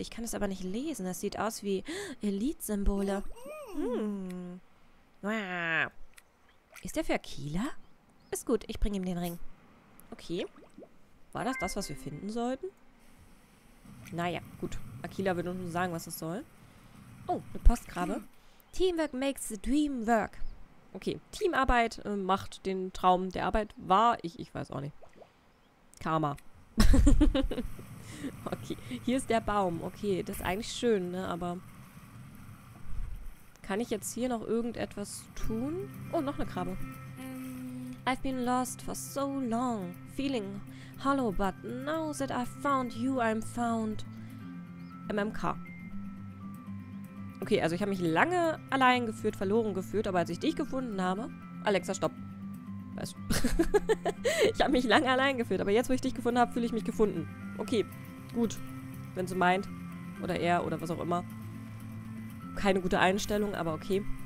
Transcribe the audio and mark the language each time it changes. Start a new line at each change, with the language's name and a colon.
German: Ich kann es aber nicht lesen. Es sieht aus wie Elite-Symbole. Ist der für Akila? Ist gut, ich bringe ihm den Ring. Okay. War das das, was wir finden sollten? Naja, gut. Akila wird uns sagen, was das soll. Oh, eine Postgrabe.
English: Teamwork makes the dream work.
German: Okay, Teamarbeit macht den Traum der Arbeit wahr. Ich weiß auch nicht. Karma. Okay, hier ist der Baum. Okay, das ist eigentlich schön, ne? Aber kann ich jetzt hier noch irgendetwas tun? Oh, noch eine Krabbe.
English: I've been lost for so long. Feeling hollow, but now that I've found you, I'm found. MMK.
German: Okay, also ich habe mich lange allein gefühlt, verloren gefühlt, aber als ich dich gefunden habe... Alexa, stopp. Ich habe mich lange allein gefühlt, aber jetzt, wo ich dich gefunden habe, fühle ich mich gefunden. Okay, gut. Wenn sie meint. Oder er, oder was auch immer. Keine gute Einstellung, aber okay.